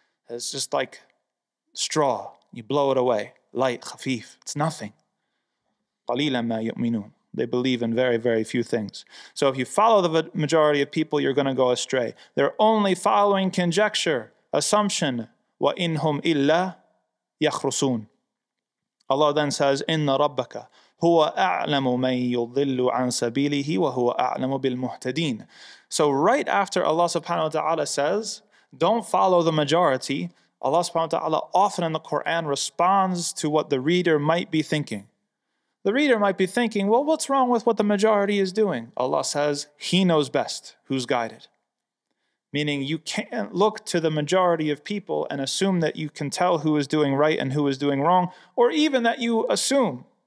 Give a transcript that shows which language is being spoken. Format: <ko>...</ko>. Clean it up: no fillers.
<en>It's just like straw. You blow it away. Light, khafif. It's nothing.</en> <ar>قَلِيلًا مَا يُؤْمِنُونَ.</ar> <en>They believe in very, very few things. So if you follow the majority of people, you're going to go astray. They're only following conjecture, assumption.</en> <ar>وَإِنْهُمْ إِلَّا يَخْرُسُونَ.</ar> <en>Allah then says,</en> <ar>إِنَّ رَبَّكَ هُوَ أَعْلَمُ مَنْ يُضِلُّ عَنْ سَبِيلِهِ وَهُوَ أَعْلَمُ بِالْمُهْتَدِينَ.</ar> <en>So right after Allah subhanahu wa ta'ala says, don't follow the majority, Allah subhanahu wa ta'ala often in the Quran responds to what the reader might be thinking. The reader might be thinking, well, what's wrong with what the majority is doing? Allah says, He knows best who's guided. Meaning you can't look to the majority of people and assume that you can tell who is doing right and who is doing wrong, or even that you assume.</en>